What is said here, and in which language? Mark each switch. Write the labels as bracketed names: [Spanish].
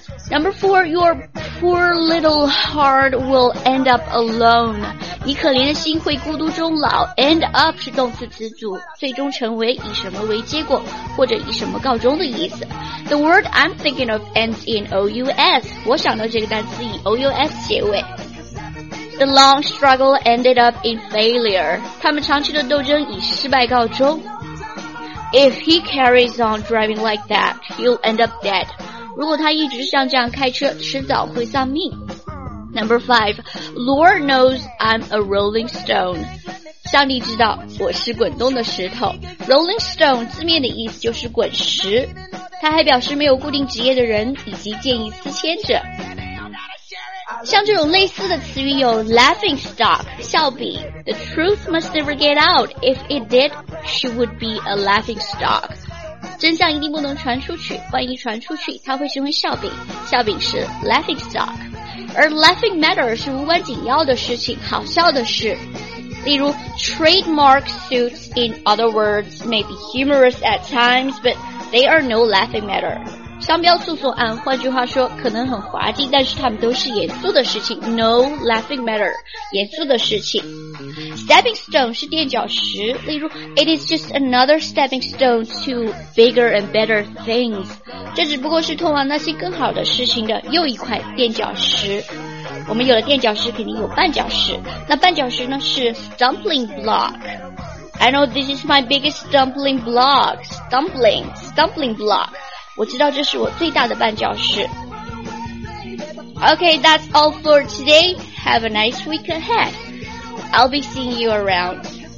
[English] Number four, your poor little heart will end up alone. [Chinese] 你可怜的心会孤独终老。End up 是动词词组，最终成为以什么为结果或者以什么告终的意思。 [English] The word I'm thinking of ends in O-U-S. [Chinese] 我想到这个单词以 O-U-S 结尾。 [English] The long struggle ended up in failure. [Chinese] 他们长期的斗争以失败告终。 [English] If he carries on driving like that, he'll end up dead. [Chinese] 如果他一直像这样开车，迟早会丧命。 [English] Number five, Lord knows I'm a rolling stone. [Chinese] 上帝知道我是滚动的石头。 Rolling stone 字面的意思就是滚石，它还表示没有固定职业的人以及见异思迁者。像这种类似的词语有 laughing stock, 笑柄。 [English] The truth must never get out. If it did, she would be a laughing stock. [Chinese] 真相一定不能传出去，万一传出去它会成为笑柄，笑柄是 laughing stock。而 laughing matter 是无关紧要的事情，好笑的事。例如 [English] trademark suits in other words may be humorous at times but they are no laughing matter。 [Chinese] 商标诉讼案换句话说可能很滑稽，但是它们都是严肃的事情。 [English] no laughing matter [Chinese] 严肃的事情。 [English] Stepping stone [Chinese] 是垫脚石，例如 [English] It is just another stepping stone to bigger and better things. [Chinese] 这只不过是通往那些更好的事情的又一块垫脚石。我们有了垫脚石，肯定有绊脚石。那绊脚石呢是 stumbling block. [English] I know this is my biggest stumbling block. Stumbling block. [Chinese] 我知道这是我最大的绊脚石。 [English] Okay, that's all for today. Have a nice week ahead. I'll be seeing you around.